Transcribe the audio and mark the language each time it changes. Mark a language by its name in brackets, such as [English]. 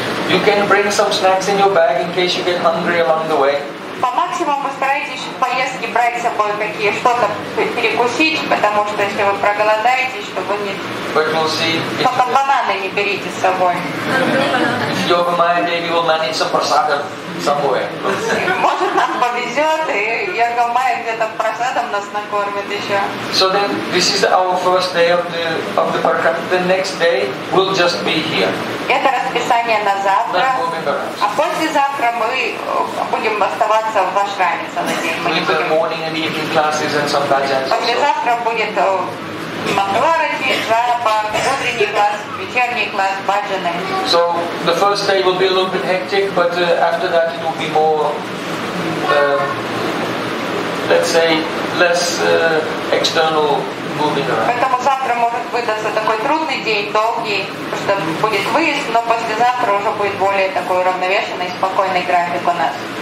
[English] You can bring some snacks in your bag in case you get hungry along the way. [Russian] По максимуму постарайтесь в поездке брать с собой какие что-то перекусить, потому что если вы проголодаетесь, чтобы не... Только бананы не берите с собой. [English] If you have a mind, maybe we'll manage some prasadam somewhere. [Russian] Может, нам повезет, и Йога Майя где-то просадом нас накормит еще. [English] So then, this is our first day of the Parakat. The next day, we'll just be here. [Russian] Это расписание на завтра. А послезавтра мы будем оставаться в ашраме целый день. [English] Morning and evening classes and some bhajans. [Russian] Послезавтра будет махарати, джапа, утренний класс, вечерний класс, бхаджаны. [English] So the first day will be a little bit hectic, but after that it will be more, let's say, less external. [Russian] Поэтому завтра может выдаться такой трудный день, долгий, потому что будет выезд, но послезавтра уже будет более такой уравновешенный, спокойный график у нас.